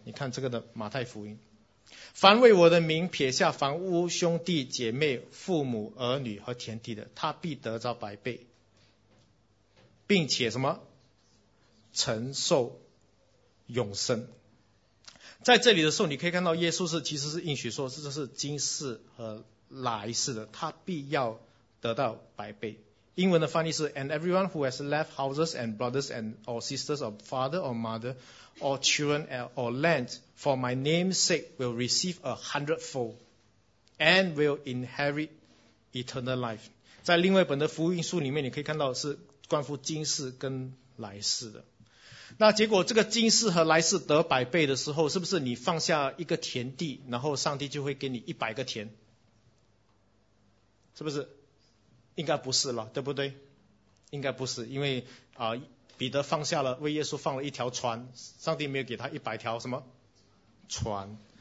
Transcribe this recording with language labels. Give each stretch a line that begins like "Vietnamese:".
Chinese: 你看这个的马太福音，凡为我的名撇下房屋兄弟姐妹父母儿女和田地的，他必得着百倍，并且什么？承受永生。在这里的时候，你可以看到耶稣其实是应许说，这是今世和来世的，他必要得到百倍。
English: 英文的翻译是 And everyone who has left houses and brothers and or sisters or father or mother or children or land for my name's sake will receive a hundredfold and will inherit eternal life.
Chinese: 在另外一本的福音书里面，你可以看到是关乎今世跟来世的。那结果这个今世和来世得百倍的时候，是不是你放下一个田地，然后上帝就会给你一百个田？是不是？应该不是了，对不对？应该不是，因为彼得放下了，为耶稣放了一条船，上帝没有给他一百条什么船。